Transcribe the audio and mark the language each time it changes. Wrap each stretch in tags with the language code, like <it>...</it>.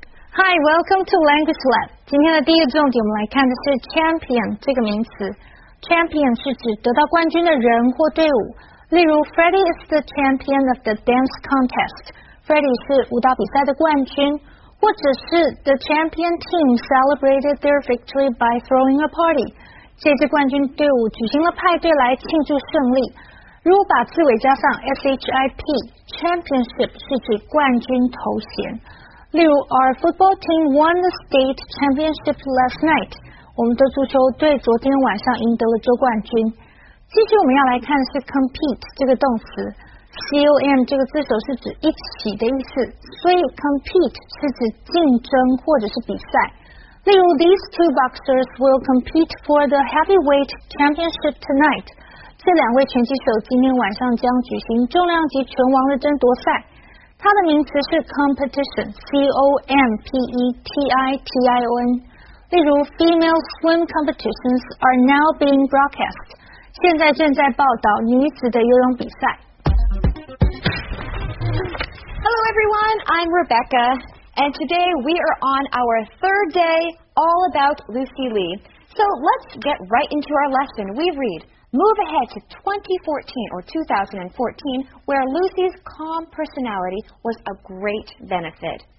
<en>Hi, welcome to Language Lab.</en> <zh>今天的第一个重点我们来看的是 champion 这个名词。 Champion 是指得到冠军的人或队伍。例如</zh> <en>Freddie is the champion of the dance contest.</en> <zh>Freddie 是舞蹈比赛的冠军。或者是</zh> <en>the champion team celebrated their victory by throwing a party.</en> <zh>这支冠军队伍举行了派对来庆祝胜利。如果把字尾加上 SHIP, championship 是指冠军头衔。例如</zh> <en>our football team won the state championship last night.</en> <zh>我们的足球队昨天晚上赢得了周冠军。继续我们要来看的是 compete 这个动词， COM 这个字首是指一起的意思，所以 compete 是指竞争或者是比赛。例如</zh> <en>these two boxers will compete for the heavyweight championship tonight，</en> <zh>这两位拳击手今天晚上将举行重量级拳王的争夺赛。它的名词是 competition， C-O-M-P-E-T-I-T-I-O-N。例如</zh> <en>,female swim competitions are now being broadcast.</en> <zh>现在正在报道女子的游泳比赛。</zh> <en>Hello everyone, I'm Rebecca, and today we are on our third day all about Lucy Lee. So let's get right into our lesson. We read, move ahead to 2014, where Lucy's calm personality was a great benefit.</en>